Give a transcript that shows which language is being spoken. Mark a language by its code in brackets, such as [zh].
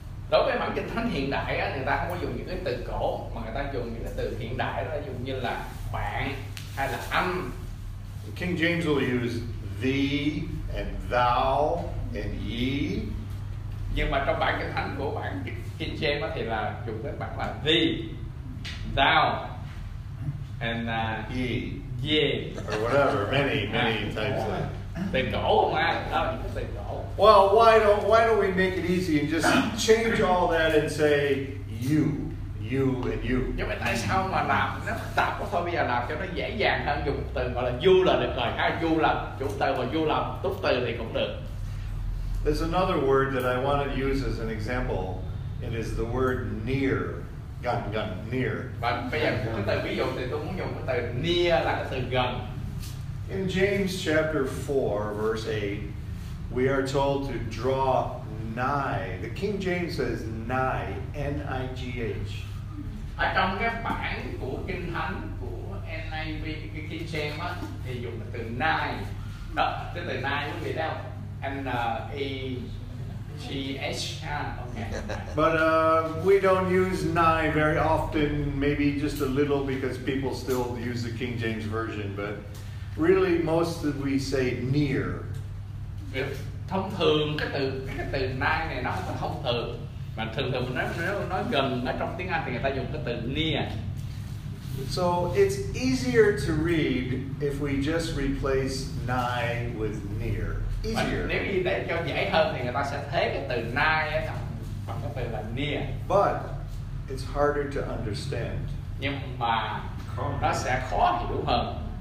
[vi] Đối với bản Kinh Thánh hiện đại á, người ta không có dùng những cái từ cổ mà người ta dùng những cái từ hiện đại đó, dùng như là bạn hay là anh. [en] King James will use thee and thou and ye. [vi] Nhưng mà trong bản Kinh Thánh của bản King James á thì là dùng cái bản là thee, thou and [en] ye. Ye or whatever, many types of [vi] từ cổ không ai, đó là những cái từ cổ. [en] Well, why don't we make it easy and just change all that and say you and you. [vi] Nhưng mà tại sao mà làm nó phức tạp quá, thôi bây giờ làm cho nó dễ dàng hơn, dùng từ gọi là you là được rồi, hay you là chủ từ và you là tục từ thì cũng được. [en] There's another word that I want to use as an example. It is the word near. Gần near. [vi] Và bây giờ cái từ ví dụ thì tôi muốn dùng cái từ near là cái từ gần. [en] In James chapter 4 verse 8 we are told to draw nigh. The King James says nigh, N-I-G-H. [vi] Ở trong cái bản của Kinh Thánh của NIV cái King James á thì dùng là từ nai đó, cái từ nai nó bị đâu NEGH ha. [en] Okay. But we don't use nai very often, maybe just a little because people still use the King James version, but really most of we say near. [vi] Thông thường cái từ nai này nó là thông thường. Mà thường thường nói gần ở trong tiếng Anh thì người ta dùng cái từ near. [en] So it's easier to read if we just replace nigh with near. Easier. [vi] Nếu như để cho dễ hơn thì người ta sẽ thế cái từ nigh bằng cái từ là near. [en] But it's harder to understand. [vi] Nhưng mà nó sẽ khó hiểu hơn.